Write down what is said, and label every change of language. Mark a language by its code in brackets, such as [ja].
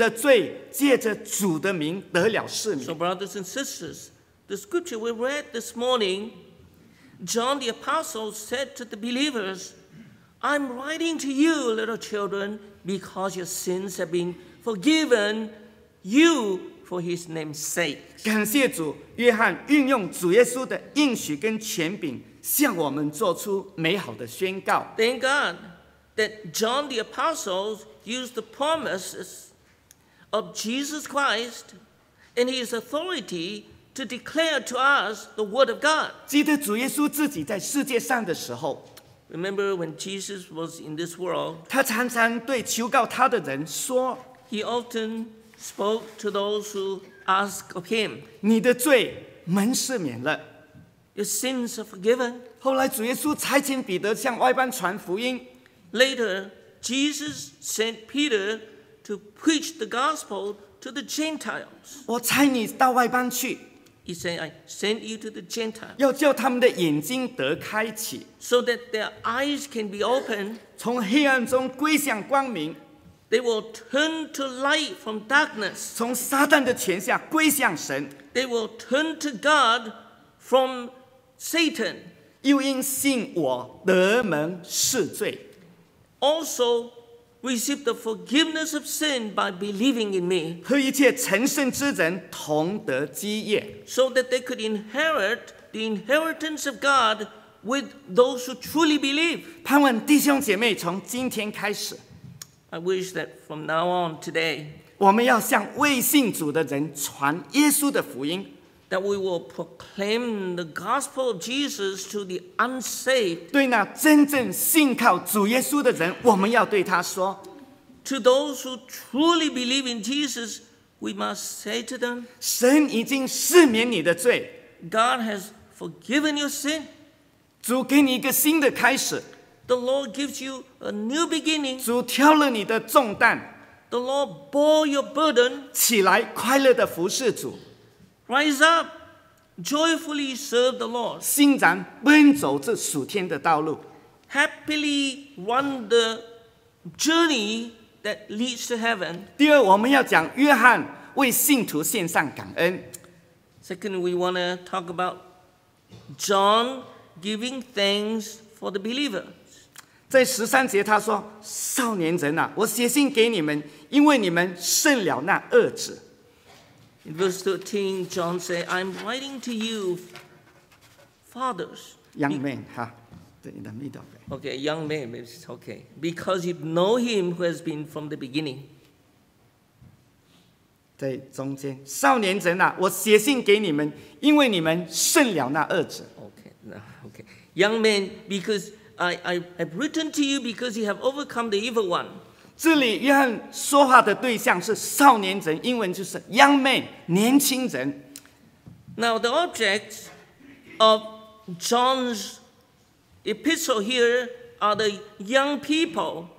[zh] 弟兄姐妹，基于以上的经文，使徒约翰快乐地向信徒宣告说：“小子们呐，我写信给你们，因为你们的罪借着主的名得了赦免。” [en] So, brothers and sisters, the scripture we read this morning, John the Apostle said to the believers, "I'm writing to you, little children, because your sins have been forgiven you for his name's sake." [zh] 感谢主，约翰运用主耶稣的应许跟权柄，向我们做出美好的宣告。 [en] Thank God that John the Apostle used the promises of Jesus Christ and his authority to declare to us the word of God. [zh] 记得主耶稣自己在世界上的时候。 [en] Remember when Jesus was in this world, [zh] 他常常对求告他的人说, [en] He often spoke to those who asked of him, [zh] 你的罪蒙赦免了, [en] Your sins are forgiven. [zh] 后来主耶稣差遣彼得向外邦传福音, [en] Later, Jesus sent Peter to preach the gospel to the Gentiles. [zh] 我差你到外邦去。 [en] He said, I sent you to the Gentiles. [zh] 要叫他们的眼睛得开启。 [en] So that their eyes can be opened. [zh] 从黑暗中归向光明。 [en] They will turn to light from darkness. [zh] 从撒旦的权下归向神。 [en] They will turn to God from Satan. [zh] 又因信我得蒙赦罪。 [en] Also, receive the forgiveness of sin by believing in me, [zh] 和一切成圣之人同得基业, [en] so that they could inherit the inheritance of God with those who truly believe. [zh] 盼望弟兄姐妹从今天开始, [en] I wish that from now on today, [zh] 我们要向未信主的人传耶稣的福音, [en] that we will proclaim the gospel of Jesus to the unsaved. [zh] 对那真正信靠主耶稣的人，我们要对他说。 [en] To those who truly believe in Jesus, we must say to them, [zh] 神已经赦免你的罪。 [en] God has forgiven your sin. [zh] 主给你一个新的开始。 [en] The Lord gives you a new beginning. [zh] 主挑了你的重担。 [en] The Lord bore your burden. [zh] 起来，快乐地服侍主。 [en] Rise up, joyfully serve the Lord. [zh] 欣然奔走这属天的道路。 [en] Happily run the journey that leads to heaven. [zh] 第二，我们要讲约翰为信徒献上感恩。 [en] Second, we want to talk about John giving thanks for the believers. [zh] 在十三节他说，少年人啊，我写信给你们，因为你们胜了那恶者。 [en] In verse 13, John said, I'm writing to you, fathers. Young men, huh? In the middle of it. Okay, young men, it's okay. Because you know him who has been from the beginning. [zh] 在中间，少年人啊，我写信给你们，因为你们胜了那恶者。 [en] Okay, no, okay. Young men, because I have written to you because you have overcome the evil one. [zh] 这里约翰说话的对象是少年人，英文就是 young man, 年轻人。 [en] Now the object of John's epistle here are the young people.